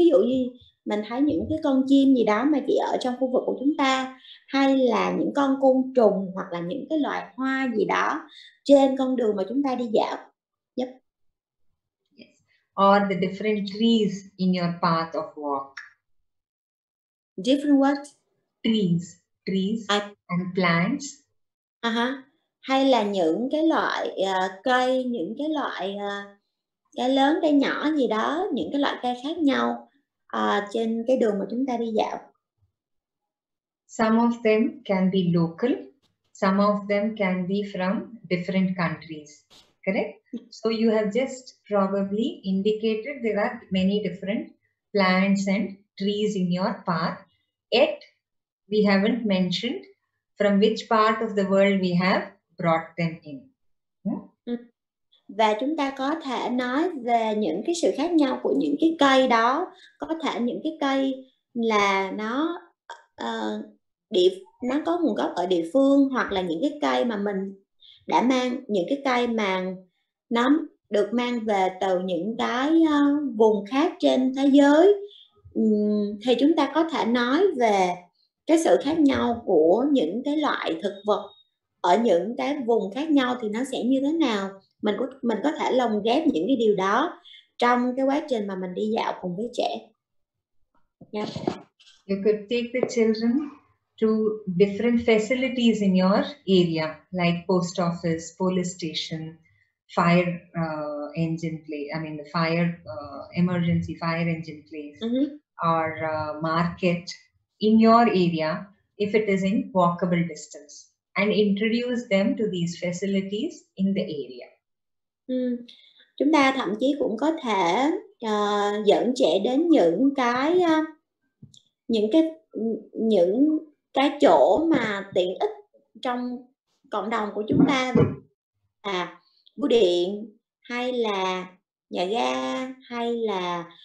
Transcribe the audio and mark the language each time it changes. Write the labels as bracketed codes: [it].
[vi] Ví dụ như mình thấy những cái con chim gì đó mà chỉ ở trong khu vực của chúng ta, hay là những con côn trùng hoặc là những cái loài hoa gì đó trên con đường mà chúng ta đi dạo. [en] Yep. Yes. Or the different trees in your path of walk. Different what? Trees and plants. Uh-huh. [vi] Hay là những cái loại cây, những cái loại cây lớn, cây nhỏ gì đó, những cái loại cây khác nhau trên cái đường mà chúng ta đi dạo. [en] Some of them can be local, some of them can be from different countries, correct? So you have just probably indicated there are many different plants and trees in your path. Yet, we haven't mentioned from which part of the world we have brought them in. [vi] Và chúng ta có thể nói về những cái sự khác nhau của những cái cây đó, có thể những cái cây là nó có nguồn gốc ở địa phương, hoặc là những cái cây mà mình đã mang, những cái cây mà nó được mang về từ những cái vùng khác trên thế giới, thì chúng ta có thể nói về cái sự khác nhau của những cái loại thực vật ở những cái vùng khác nhau thì nó sẽ như thế nào. Mình có thể lồng ghép những cái điều đó trong cái quá trình mà mình đi dạo cùng với trẻ. [en] Yeah. You could take the children to different facilities in your area, like post office, police station, fire engine place, I mean the fire emergency fire engine place, or market in your area if it is in walkable distance, and introduce them to these facilities in the area. [vi] Chúng ta thậm chí cũng có thể dẫn trẻ đến những cái những cái chỗ mà tiện ích trong cộng đồng của chúng ta là bưu điện hay là nhà ga hay là